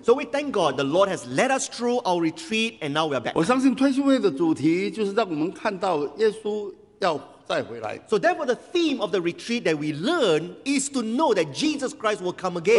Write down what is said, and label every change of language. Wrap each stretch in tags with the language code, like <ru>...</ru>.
<en>So we thank God the Lord has led us through our retreat and now we are back.</en> <zh>我相信退休会的主题就是让我们看到耶稣要再回来。</zh> <en>So therefore the theme of the retreat that we learn is to know that Jesus Christ will come again.</en>